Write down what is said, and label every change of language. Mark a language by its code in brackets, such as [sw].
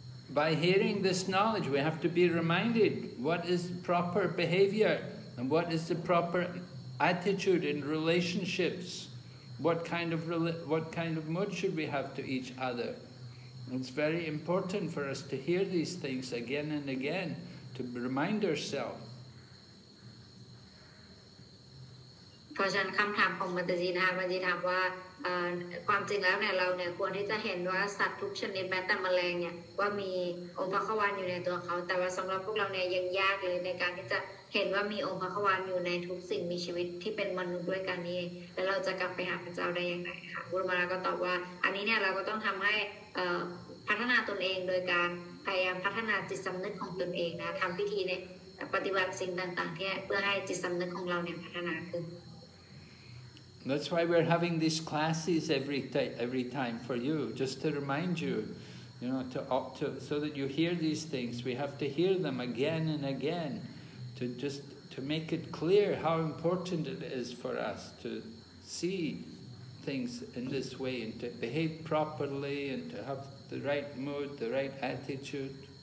[en] By hearing this knowledge, we have to be reminded what is proper behavior and what is the proper attitude in relationships. What kind of mood should we have to each other? It's very important for us to hear these things again and again, to remind ourselves. [th] เพราะฉะนั้นคำถามของมัตติน่ะมัตติถามว่าความจริงแล้วเนี่ยเราเนี่ยควรที่จะเห็นว่าสัตว์ทุกชนิดแม้แต่แมลงเนี่ยว่ามีองค์พระควานอยู่ในตัวเขาแต่ว่าสำหรับพวกเราเนี่ยยังยากเลยในการที่จะเห็นว่ามีองค์พระควานอยู่ในทุกสิ่งมีชีวิตที่เป็นมนุษย์ด้วยกันนี้แล้วเราจะกลับไปหาพระเจ้าได้ยังไงคะบุรุษมาราก็ตอบว่าอันนี้เนี่ยเราก็ต้องทำให้ พัฒนาตนเองโดยการพยายามพัฒนาจิตสำนึกของตนเองนะทำพิธีเนี่ยปฏิบัติสิ่งต่างๆที่เพื่อให้จิตสำนึกของเราเนี่ยพัฒนาขึ้น [en] That's why we're having these classes every time for you, just to remind you, you know, to so that you hear these things. We have to hear them again and again, to make it clear how important it is for us to see things in this way and to behave properly and to have the right mood, the right attitude.